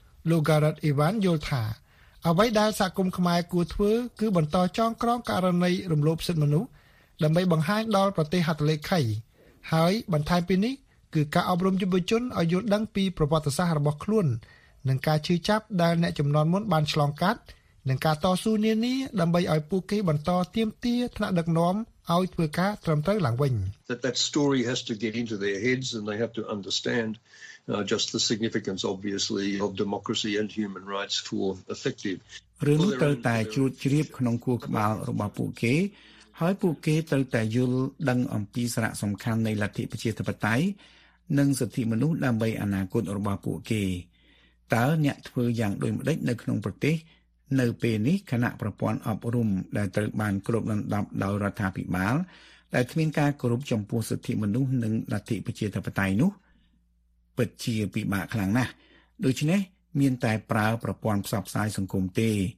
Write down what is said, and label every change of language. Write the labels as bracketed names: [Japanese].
[Khmer] លោក Garrett Ivan យល់ថាអ្វីដែលសហគមន៍ខ្មែរគួរធ្វើគឺបន្តចងក្រងករណីរំលោភសិទ្ធិមនុស្សដើម្បីបង្ហាញដល់ប្រទេសហត្ថលេខីហើយបន្ថែមពីនេះគឺការអប់រំយុវជនឲ្យយល់ដឹងពីប្រវត្តិសាស្ត្ររបស់ខ្លួននិងការជឿចាប់ដែលអ្នកជំនាន់មុនបានឆ្លងកាត់នឹងការតស៊ូនានាដើម្បីឲ្យពួកគេបន្តទៀមទាថ្នាក់ដឹកនាំឲ្យធ្វើការត្រឹមត្រូវឡើងវិញ [English] That story has to get into their heads and they have to understand just the significance obviously of democracy and human rights for effective [Khmer] រឿងត្រូវតែជួចជ្រាបក្នុងគួរក្បាលរបស់ពួកគេហើយពួកគេត្រូវតែយល់ដឹងអំពីសារៈសំខាន់នៃលទ្ធិប្រជាធិបតេយ្យនិងសិទ្ធិមនុស្សដើម្បីអនាគតរបស់ពួកគេ តើអ្នកធ្វើយ៉ាងដូចម្តេចនៅក្នុងប្រទេសនៅពេលនេះគណៈប្រព័ន្ធអប់រំដែលត្រូវបានគ្របដណ្ដប់ដោយរដ្ឋាភិបាលដែលគ្មានការគោរពចំពោះសិទ្ធិមនុស្សនិងលទ្ធិប្រជាធិបតេយ្យនោះពិតជាពិបាកខ្លាំងណាស់ដូច្នេះមានតែប្រើប្រព័ន្ធផ្សព្វផ្សាយសង្គមទេ